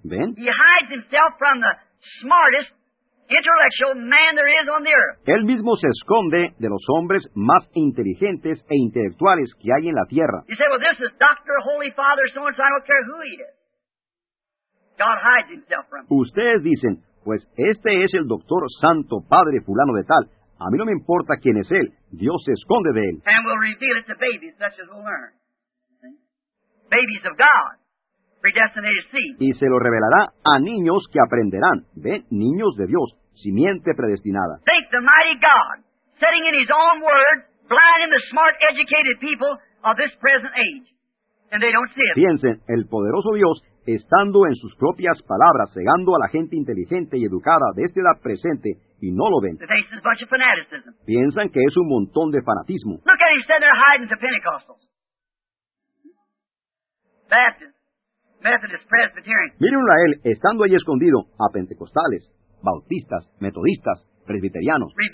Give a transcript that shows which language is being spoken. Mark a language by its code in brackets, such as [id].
[es] ¿Ven? [en] He hides himself from the smartest intellectual man there is on the earth. [es] Él mismo se esconde de los hombres más inteligentes e intelectuales que hay en la tierra. [en] You say, well, this is Dr. Holy Father, so-and-so, I don't care who he is. God hides himself from him. [es] Ustedes dicen, pues este es el doctor santo padre fulano de tal. A mí no me importa quién es él. Dios se esconde de él. [en] And will reveal it to babies, such as we'll learn. Babies of God. Predestinated seed. [es] Y se lo revelará a niños que aprenderán. Ve, niños de Dios, simiente predestinada. [en] Think the mighty God, sitting in his own word, blinding the smart, educated people of this present age. And they don't see it. [es] Piensen, el poderoso Dios, estando en sus propias palabras, cegando a la gente inteligente y educada de esta edad presente, y no lo ven. [en] They face a bunch of fanaticism. [es] Piensan que es un montón de fanatismo. [en] Look at him sitting there hiding to Pentecostals. Baptists. Methodist, Presbyterian. [es] Miren a él, estando allí escondido, a pentecostales, bautistas, metodistas, presbiterianos.